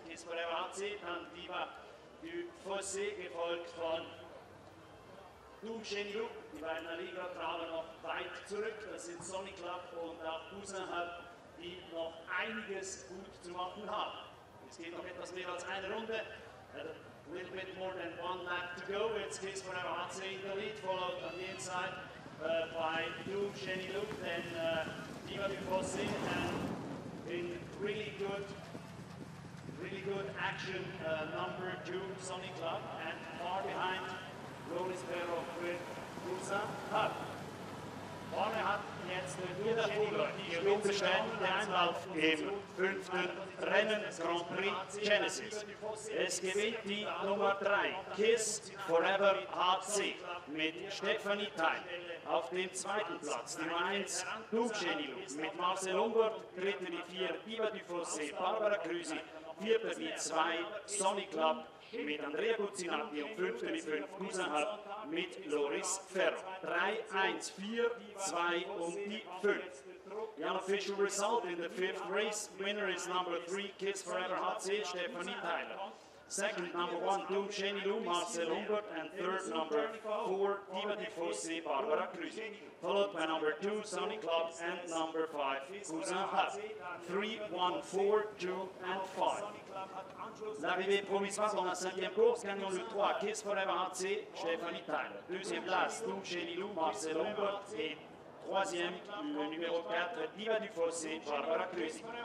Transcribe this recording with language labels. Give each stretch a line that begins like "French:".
German: Kisvorem AC, dann Diva du Fossé, gefolgt von Du Chenyu. Die beiden Aligra traben noch weit zurück. Das sind Sonny Club und auch Cousin Hub, die noch einiges gut zu machen haben. Es geht noch etwas mehr als eine Runde.
English: A little bit more than one lap to go. It's Kisvorem AC in the lead, followed on the inside by Du Chenyu, then Diva du Fossé, and in really good action, number two, Sonny Club, and far behind, Rolis Perov with Cousin Hub.
German: Vorne hat jetzt Du Chenyu die Spitze gewonnen, der Einlauf im fünften Rennen Grand Prix Genesis. Es gewinnt die Nummer 3, Kisvorem AC mit Stefanie Theil. Auf dem zweiten Platz die Nummer 1, Du Chenyu mit Marcel Ungert. Dritte die 4, Diva du Fossé, Barbara Krüsi. Vierte die 2, Sonny Club mit Andrea Guzzinatti und fünfte die 5, Cousin Hub mit Loris Ferro. 3, 1, 4, 2 und die 5.
English: The unofficial result in the fifth race, winner is number 3, Kisvorem AC, Stefanie Tyler. Second, number 1, Du Chenyu, Marcel Ungert, and third, number 4, Diva du Fossé, Barbara Krüsi. Followed by number 2, Sonny Club, and number 5, Cousin Hub. 3, 1, 4, 2, and 5.
French: L'arrivée provisoire dans la cinquième course, gagnant le 3, Kisvorem AC, Stefanie Tyler. Deuxième place, Du Chenyu, Marcel Ungert, et troisième, le numéro 4, Diva du Fossé, Barbara Krüsi.